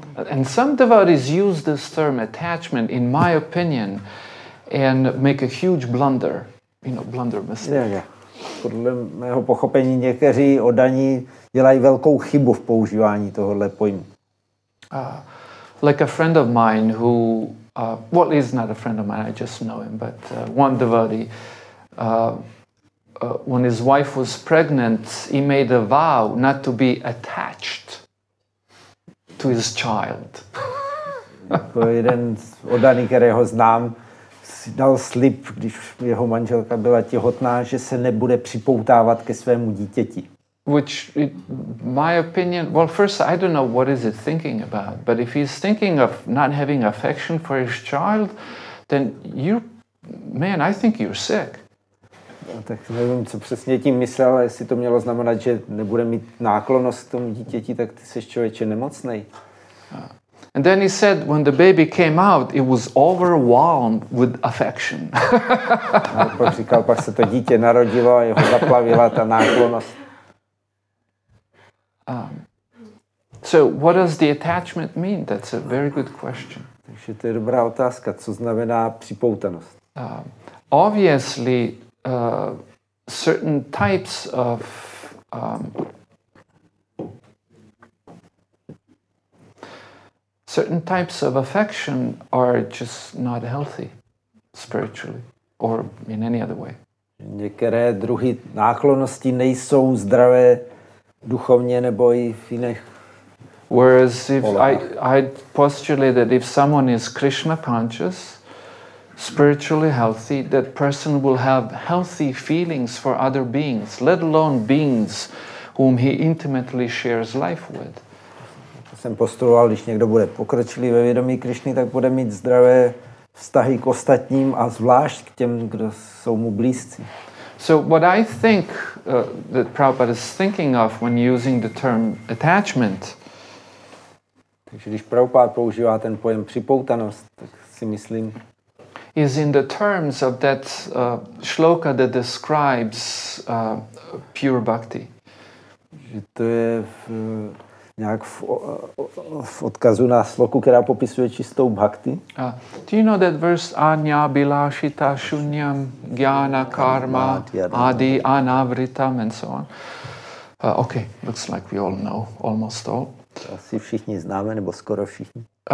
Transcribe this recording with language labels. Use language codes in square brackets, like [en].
[en] And some devotees use this term attachment, in my opinion, and make a huge blunder, blunder mistake. Yeah. [cs] Podle mého pochopení někteří odaní dělají velkou chybu v používání tohohle pojmu. [en] Like a friend of mine who, well, he's not a friend of mine, I just know him, but one devotee, when his wife was pregnant, he made a vow not to be attached to his child. [cs] Jako jeden z odaní, kterého znám, si dal slib, když jeho manželka byla těhotná, že se nebude připoutávat ke svému dítěti. [en] Which it, my opinion, well first I don't know what is it thinking about, but if he's thinking of not having affection for his child, then you, man, I think you're sick. [cs] No, tak nevím, co přesně tím myslel, ale jestli to mělo znamenat, že nebude mít náklonost k tomu dítěti, tak ty seš člověče nemocnej. [en] And then he said, when the baby came out, it was overwhelmed with affection. [cs] Říkal, pak se to dítě narodilo a jeho zaplavila ta náklonost. [en] So what does the attachment mean? That's a very good question. [cs] Takže to je dobrá otázka. Co znamená připoutanost? [en] Obviously, certain types of... certain types of affection are just not healthy spiritually or in any other way. [cs] Některé druhy náklonosti nejsou zdravé duchovně nebo i v jiných. [en] Whereas if I postulate that if someone is Krishna conscious, spiritually healthy, that person will have healthy feelings for other beings, let alone beings whom he intimately shares life with. [cs] Jsem postuloval, když někdo bude pokročilý ve vědomí Krišny, tak bude mít zdravé vztahy k ostatním a zvlášť k těm, kdo jsou mu blízcí. [en] So what I think that Prabhupada is thinking of when using the term attachment. [cs] Takže když Prabhupada používá ten pojem připoutanost, tak si myslím, [en] is in the terms of that shloka that describes pure bhakti. [cs] Že to je nějak v odkazu na sloku, která popisuje čistou bhakti. [en] Do you know that verse [sa] anya bilashita shunyam jnana karma adi anavritam [en] and so on? Okay, looks like we all know almost all. [cs] Asi všichni známe, nebo skoro všichni.